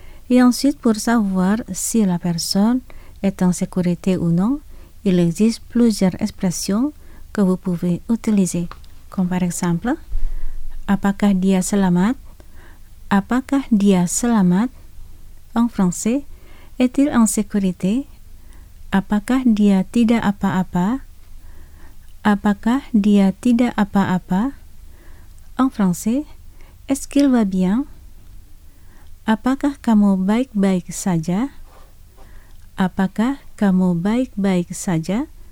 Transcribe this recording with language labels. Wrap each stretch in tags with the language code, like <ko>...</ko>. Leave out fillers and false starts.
<fr>Et ensuite, pour savoir si la personne est en sécurité ou non, il existe plusieurs expressions que vous pouvez utiliser. Comme par exemple,</fr> <id>apakah dia selamat? Apakah dia selamat?</id> <fr>En français, est-il en sécurité?</fr> <id>Apakah dia tidak apa-apa? Apakah dia tidak apa-apa?</id> <fr>En français, est-ce qu'il va bien?</fr> <id>Apakah kamu baik-baik saja? Apakah kamu baik-baik saja?</id>